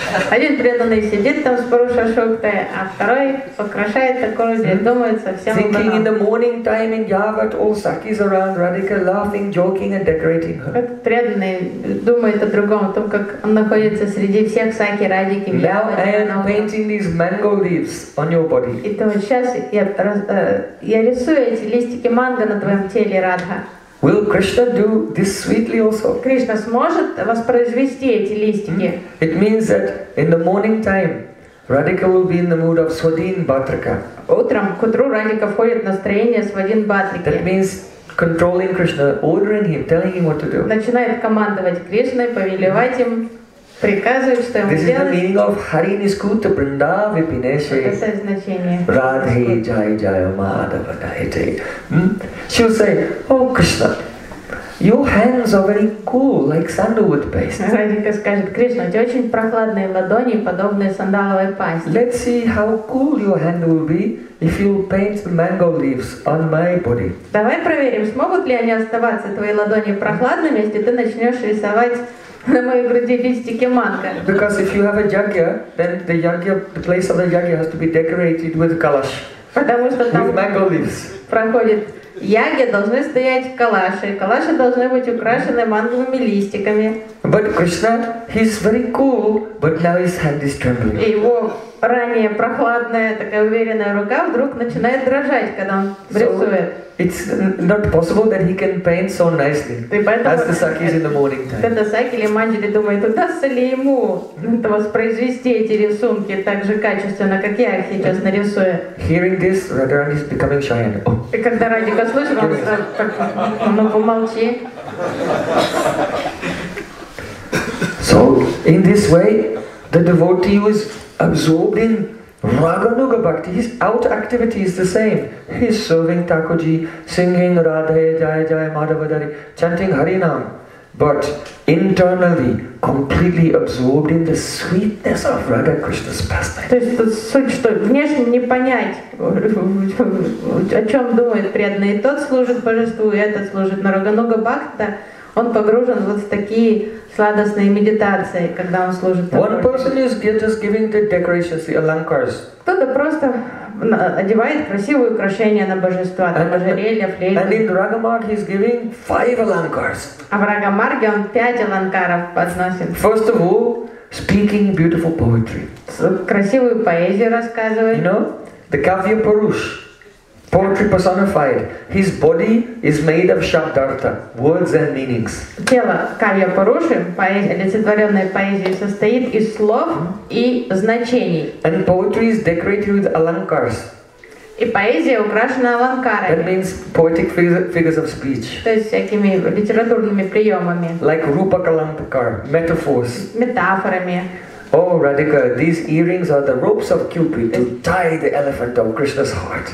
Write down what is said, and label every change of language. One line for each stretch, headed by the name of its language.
Russian: Один преданный сидит там с Пуруша Шуктой, а второй украшает Такурджи и думается всем образом.
English: Thinking in the morning time in Yavat, all sakis around Radhika, laughing, joking and decorating her.
Russian: Преданный думает о другом, о том, как он находится среди всех саки, Радхики, в Яваде.
English: Now I am painting these mango leaves on your body.
Russian: И то вот сейчас я рисую эти листики манго на твоем теле, Радха.
English: Will Krishna do this sweetly also?
Russian: Кришна сможет воспроизвести эти листики?
English: It means that in the morning time, Radhika will be in the mood of Swadin Bhatrika.
Russian: Утром к утру Радхика входит в настроение Свадин Бхатрики.
English: That means controlling Krishna, ordering him, telling him what to do.
Russian: Начинает командовать Кришной, повелевать им. Приказывает, что
English: this is the meaning of Hari Niskuta Brinda Vipineshe. Radhe Jai Jai Madhava Dai Jai. She'll say, oh Krishna, Your hands are very cool, like sandalwood paste.
Russian: Радика скажет, Кришна, у тебя очень прохладные ладони, подобные сандаловой пасте.
English: Let's see how cool your hand will be if you paint mango leaves on my body.
Russian: Давай проверим, смогут ли они оставаться твои ладони прохладными, если ты начнешь рисовать на моей груди листики манго.
English: Because if you have a yagya, then the yagya, the place of the yagya has to be decorated with kalash.
Russian: Потому что там
English: with mango leaves.
Russian: Проходит. Яги должны стоять в калаше, калаши должны быть украшены манговыми листиками.
English: But Krishna, he's very cool, but now his hand is trembling.
Russian: И его ранее прохладная, такая уверенная рука вдруг начинает дрожать, когда он рисует.
English: So it's not possible that he can paint so nicely as the sakis in the morning time.
Russian: Тогда саки или манджили думают, удастся ли ему воспроизвести эти рисунки так же качественно, как я их сейчас нарисую.
English: Hearing this, Radharani is becoming shy.
Russian: И когда Радика слышит, он сказал, ну помолчи.
English: So, in this way, the devotee was absorbed in Raganuga-Bhakti, his outer activity is the same. He's serving Thakurji, singing Radhe Jaya Jaya Madhavadari, chanting Harinam. But internally, completely absorbed in the sweetness of Radha Krishna's pastime.
Russian: То есть тут суть, что внешне не понять, о чем думает преданный. Тот служит Божеству, и этот служит на Raganuga-Bhakti. Он погружен вот в такие сладостные медитации, когда он служит такой.
English: One person is just giving the decorations, the alankars.
Russian: Кто-то просто одевает красивые украшения на божества, там ожерелья, флейты.
English: And in Рагамарге he's giving five alankars.
Russian: А в Рагамарге он пять аланкаров подносит.
English: First of all, speaking beautiful poetry.
Russian: Красивую поэзию рассказывает.
English: You know, the Kavya Purush. Poetry personified. His body is made of shabdartha, words and meanings.
Russian: Тело Кавья Паруши, поэзия, олицетворенная поэзия, состоит из слов и значений.
English: And poetry is decorated with alankars.
Russian: И поэзия украшена аланкарами.
English: That means poetic figures of speech.
Russian: То есть всякими литературными приемами.
English: Like rupa kalampakar, metaphors.
Russian: Метафорами.
English: Oh, Radhika, these earrings are the ropes of Cupid to tie the elephant of Krishna's heart.